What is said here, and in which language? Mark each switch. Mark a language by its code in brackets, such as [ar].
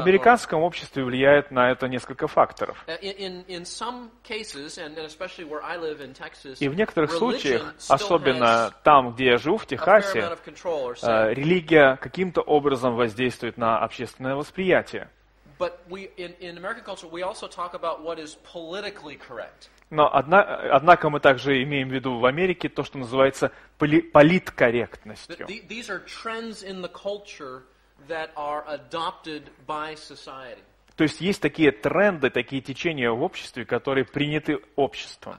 [ru] В американском обществе влияет на это несколько факторов. [en] In some cases, and especially where I live in Texas, [ru] и в некоторых случаях, особенно там, где я живу, в Техасе, религия каким-то образом воздействует на общественное восприятие. [en] But we in American culture we also talk about what is politically correct. [ru] Но однако мы также имеем в виду в Америке то, что называется политкорректностью. [en] These are trends in the culture that are adopted by society. [ru] То есть есть такие тренды, такие течения в обществе, которые приняты обществом.